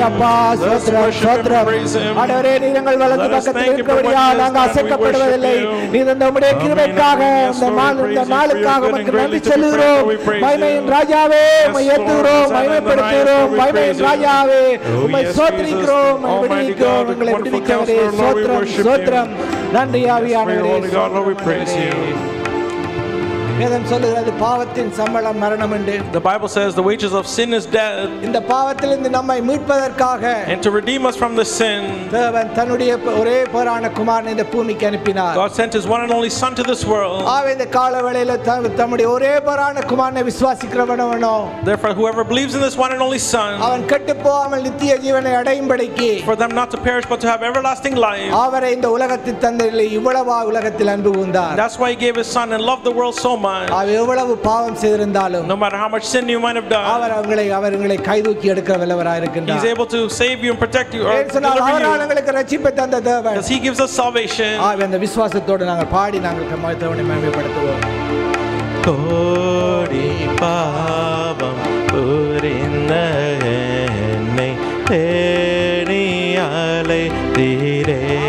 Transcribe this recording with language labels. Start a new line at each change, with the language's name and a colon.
Tamil: அப்பா ஸ்தோத்திரம் ஸ்தோத்திரம் ஆண்டவரே நீங்கள் வலது பக்கத்தில் இருக்கிறபடியால் நாங்கள் அசைக்கப்படுவதில்லை நீ தந்த உம்முடைய கிருபைக்காக இந்த நாளுக்காக உமக்கு நன்றி சொல்லுகிறோம் மகிமையின் ராஜாவே உம்மை ஏத்துகிறோம் மகிமைப்படுத்துகிறோம் மகிமையின் ராஜாவே உம்மை ஸ்தோத்திரிக்கிறோம் மகிமைப்படுத்துகிறோம் உங்களை விடுவிக்கிறவரே ஸ்தோத்திரம் ஸ்தோத்திரம் நன்றி ஆவியானவரே வேதம் சொல்லுகிறது பாவத்தின் சம்பளம் மரணம் என்று
English: the bible says the wages of sin is death
Tamil: இந்த பாவத்திலிருந்து நம்மை மீட்பதற்காக
English: and to redeem us from the sin
Tamil: தேவன் தன்னுடைய ஒரே பேரான குமாரனை இந்த பூமிக்கு அனுப்பினார்
English: god sent his one and only son to this world
Tamil: ஆவே இந்த காலவேளையில தன்னுடைய ஒரே பேரான குமாரனை விசுவாசிக்கிறவனோ
English: therefore whoever believes in this one and only son
Tamil: அவன் கெட்டுப்போகாமல் நித்திய ஜீவனை அடையும் படிக்கு
English: for them not to perish but to have everlasting life
Tamil: அவரே இந்த உலகத்தில் தந்தையிலே இவ்வளவு உலகத்தில் அன்பு கொண்டார்
English: that's why he gave his son and loved the world so much
Tamil: அவர் எவ்வளவு பாவம் செய்திருந்தாலும்
English: no matter how much sin you might have done
Tamil: அவர் அவர்களை கைதூக்கி எடுக்க வல்லவராய் இருக்கின்றார்
English: he is able to save you and protect you
Tamil: அவர் உங்களுக்கு ரட்சிப்பை தந்த தேவன்
English: because he gives us salvation
Tamil: ஆவே அந்த விசுவாசத்தோடு நாங்கள் பாடி நாங்கள் தேவனை மகிமைப்படுத்துவோம் கோடி பாவம் புரிந்த என்னை தேடி அலைத்தீரே